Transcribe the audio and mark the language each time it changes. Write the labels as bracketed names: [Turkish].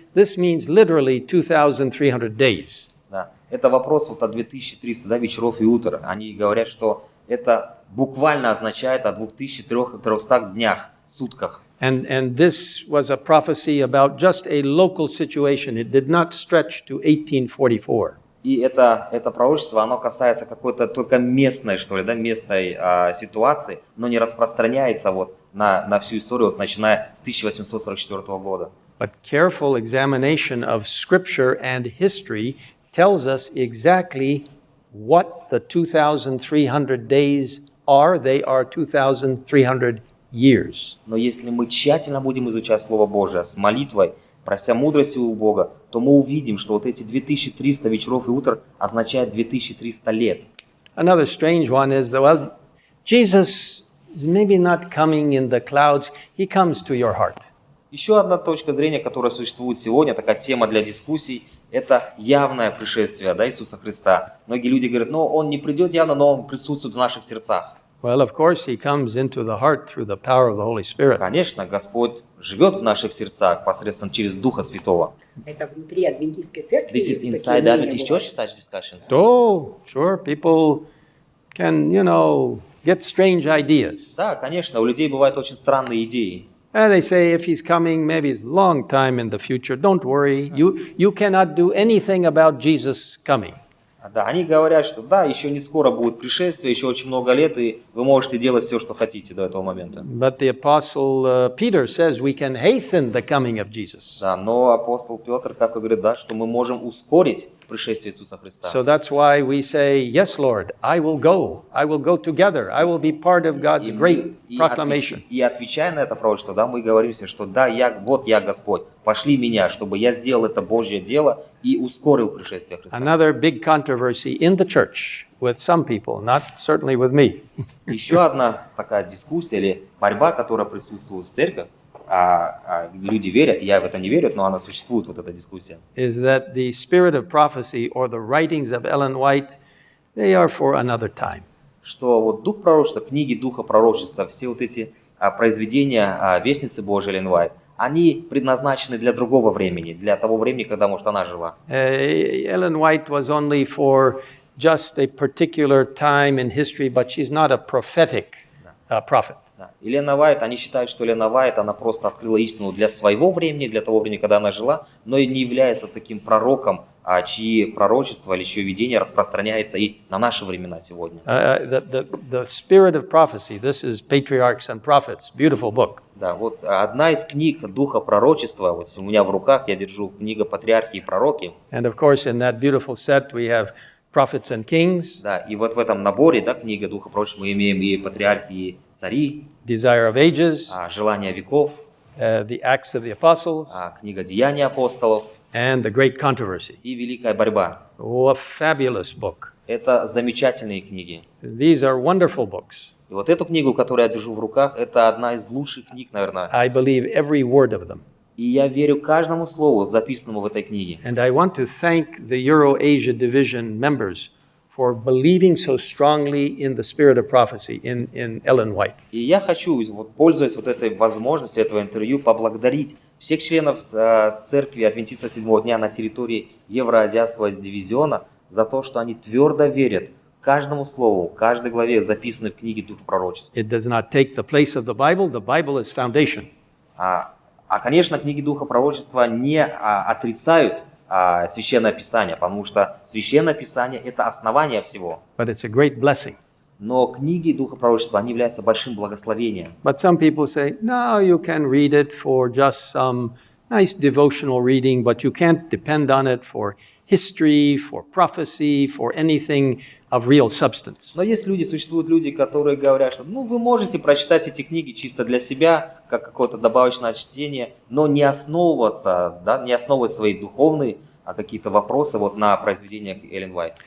[English] This means literally 2300 days. [Russian] Да. Это вопрос вот о 2300, да, вечеров и утр. Они говорят, что это буквально означает о 2300 днях, сутках. [English] And this was a prophecy about just a local situation. It did not stretch to 1844. [Russian] И это пророчество, оно касается какой-то только местной, что ли, да, местной ситуации, но не распространяется вот на всю историю, вот, начиная с 1844 года. [English] But careful examination of scripture and history tells us exactly what the 2300 days are. They are 2300 years. [Russian] Но если мы тщательно будем изучать Слово Божие с молитвой, прося мудрости у Бога, то мы увидим, что вот эти 2300 вечеров и утр означает 2300 лет. [English] Another strange one is that, well, Jesus is maybe not coming in the clouds, he comes to your heart. [Russian] Еще одна точка зрения, которая существует сегодня, такая тема для дискуссий, это явное пришествие, да, Иисуса Христа. Многие люди говорят, ну, он не придет явно, но он присутствует в наших сердцах. [English] Well, of course, he comes into the heart through the power of the Holy Spirit. [Russian] Конечно, Господь живет в наших сердцах посредством через Духа Святого. Это внутри адвентистской церкви. [English] This is inside the Adventist Church, such discussions. Oh, sure, people can, you know, get strange ideas. [Russian] Да, конечно, у людей бывают очень странные идеи. [English] And they say, if he's coming, maybe it's a long time in the future. Don't worry, you cannot do anything about Jesus coming. [Russian] Да, они говорят, что да, еще не скоро будет пришествие, еще очень много лет, и вы можете делать все, что хотите до этого момента. [English] But the apostle Peter says we can hasten the coming of Jesus. [Russian] Да, но апостол Петр как и говорит, да, что мы можем ускорить пришествие Иисуса Христа. [English] So that's why we say, yes, Lord, I will go. I will go together. I will be part of God's great proclamation. [Russian] И отвечая на это пророчество, да, мы говорим себе, что да, я, вот я Господь, пошли меня, чтобы я сделал это Божье дело и ускорил пришествие Христа. [English] Another big controversy in the church with some people, not certainly with me. [Russian] Еще одна такая дискуссия или борьба, которая присутствует в церкви, люди верят, я в это не верю, но она существует, вот эта дискуссия. [English] Is that the spirit of prophecy or the writings of Ellen White, they are for another time. [Russian] Что вот дух пророчества, книги духа пророчества, все вот эти произведения вестницы Божьей Эллен Уайт, они предназначены для другого времени, для того времени, когда, может, она жила. [English] Эллен Уайт was only for just a particular time in history, but she's not a prophetic prophet. [Russian] Елена Уайт, они считают, что Елена Уайт, она просто открыла истину для своего времени, для того времени, когда она жила, но и не является таким пророком, чьи пророчества или чьи видения распространяются и на наши времена сегодня. [English] The Spirit of Prophecy, this is Patriarchs and Prophets, beautiful book. [Russian] Да, вот одна из книг Духа Пророчества, вот у меня в руках, я держу книгу «Патриархи и пророки». [English] And of course, in that beautiful set we have Prophets and Kings. [Russian] Да, и вот в этом наборе, да, книга Духа Пророчества, мы имеем и патриархи, и цари. [English] Desire of Ages. [Russian] Желание веков. [English] The Acts of the Apostles. [Russian] Книга Деяний апостолов. [English] And the Great Controversy. [Russian] И Великая борьба. [English] Oh, a fabulous book. [Russian] Это замечательные книги. [English] These are wonderful books. [Russian] И вот эту книгу, которую я держу в руках, это одна из лучших книг, наверное. [English] I believe every word of them. [Russian] И я верю каждому слову, записанному в этой книге. [English] And I want to thank the Euro-Asia Division members for believing so strongly in the spirit of prophecy in Ellen White. [Russian] И я хочу, вот, пользуясь вот этой возможностью этого интервью, поблагодарить всех членов церкви Адвентиста Седьмого Дня на территории Евроазиатского дивизиона за то, что они твердо верят каждому слову, каждой главе, записанной в книге Дух Пророчества. [English] It does not take the place of the Bible. The Bible is foundation. [Russian] А, конечно, книги Духа Пророчества не отрицают Священное Писание, потому что Священное Писание – это основание всего. [English] But it's a great blessing. [Russian] Но книги Духа Пророчества, они являются большим благословением. [English] But some people say, no, you can read it for just some nice devotional reading, but you can't depend on it for history, for prophecy, for anything of real substance. [Russian] Но есть люди, существуют люди, которые говорят, что, ну, вы можете прочитать эти книги чисто для себя, как какое-то добавочное чтение, но не основываться, да, не основывать свои духовные какие-то вопросы вот на произведениях Эллен Уайт.